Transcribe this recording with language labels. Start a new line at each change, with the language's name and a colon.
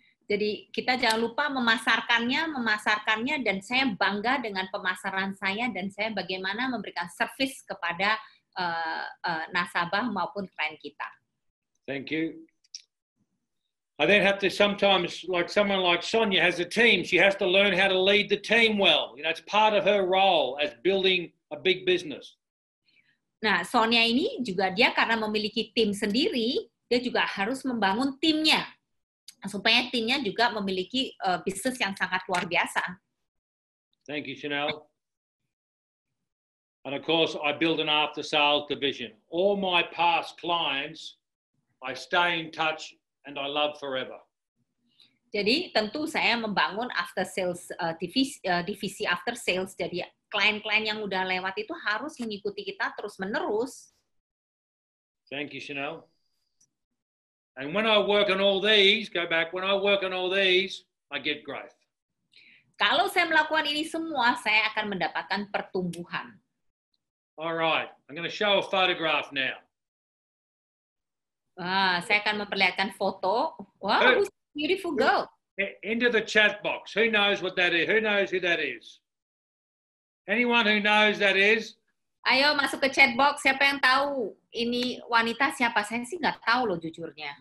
Indonesian: Jadi kita jangan lupa memasarkannya, dan saya bangga dengan pemasaran saya dan saya bagaimana memberikan service kepada nasabah maupun klien kita.
English: Thank you. I then have to sometimes, like someone like Sonia has a team, she has to learn how to lead the team well. You know, it's part of her role as building a big business.
Indonesian: Nah, Sonia ini juga dia karena memiliki tim sendiri, dia juga harus membangun timnya. Supaya timnya juga memiliki bisnis yang sangat luar biasa.
English: Thank you, Chanel. And of course, I build an after-sales division. All my past clients, I stay in touch and I love forever.
Indonesian: Jadi tentu saya membangun after sales divisi after sales. Jadi klien-klien yang udah lewat itu harus mengikuti kita terus menerus.
English: Thank you, Chanel. And when I work on all these, go back. When I work on all these, I get growth.
Indonesian: Kalau saya melakukan ini semua, saya akan mendapatkan pertumbuhan.
English: All right, I'm going to show a photograph now.
Indonesian: Ah, saya akan memperlihatkan foto.
English: Wow, who's a beautiful girl. Into the chat box. Who knows what that is? Who knows who that is? Anyone who knows that is?
Indonesian: Ayo masuk ke chat box. Siapa yang tahu ini wanita siapa? Saya sih nggak tahu loh jujurnya.